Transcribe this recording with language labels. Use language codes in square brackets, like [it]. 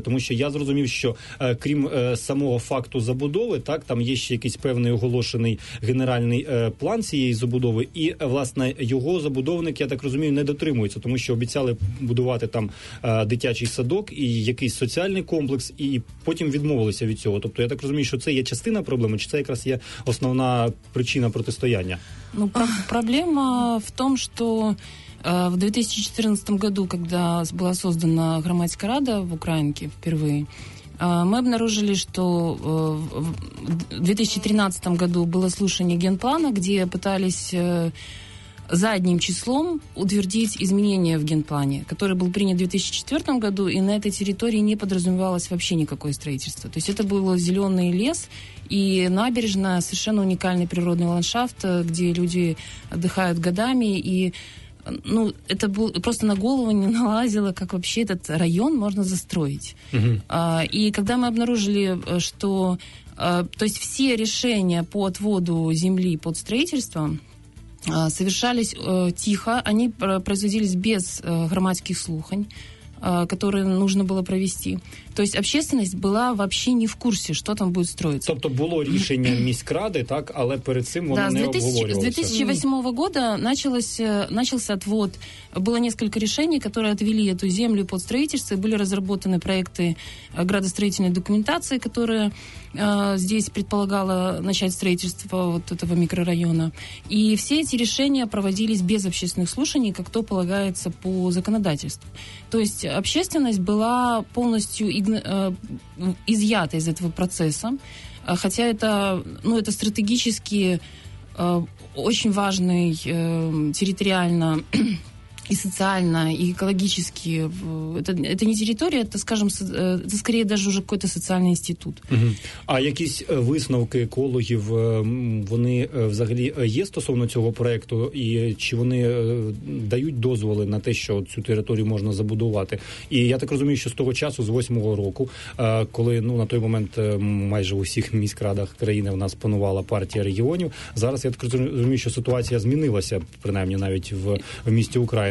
[uk] Тому що я зрозумів, що крім самого факту забудови, так, там є ще якийсь певний оголошений генеральний план цієї забудови. І, власне, його забудовник, я так розумію, не дотримується. Тому що обіцяли будувати там дитячий садок і якийсь соціальний комплекс, і потім відмовилися від цього. Тобто, я так розумію, що це є частина проблеми, чи це якраз є основна причина протистояння. [ru] Проблема в том, что в 2014 году, когда была создана [uk] громадская рада [ru] в Украинке впервые, мы обнаружили, что в 2013 году было слушание генплана, где пытались задним числом утвердить изменения в генплане, который был принят в 2004 году, и на этой территории не подразумевалось вообще никакое строительство. То есть это был зеленый лес и набережная, совершенно уникальный природный ландшафт, где люди отдыхают годами, и это просто на голову не налазило, как вообще этот район можно застроить. Uh-huh. И когда мы обнаружили, что... То есть все решения по отводу земли под строительство совершались тихо, они производились без [uk] громадских слухань, [ru] которые нужно было провести. То есть общественность была вообще не в курсе, что там будет строиться. [uk] Тобто було рішення міськради, так, але перед цим воно не обговорювалося. [ru] З 2008 года начался отвод. Было несколько решений, которые отвели эту землю под строительство. Были разработаны проекты градостроительной документации, которая здесь предполагала начать строительство вот этого микрорайона. И все эти решения проводились без общественных слушаний, как то полагается по законодательству. То есть общественность была полностью изъята из этого процесса, хотя это стратегически очень важный территориально и социально, и экологически. Это не территория, это скорее даже уже какой-то социальный институт. Угу. [uk] А якісь висновки екологів, вони взагалі є стосовно цього проєкту? І чи вони дають дозволи на те, що цю територію можна забудувати? І я так розумію, що з того часу, з 2008 року, коли на той момент майже у всіх міськрадах країни в нас панувала партія регіонів, зараз я так розумію, що ситуація змінилася, принаймні навіть в місті Україна.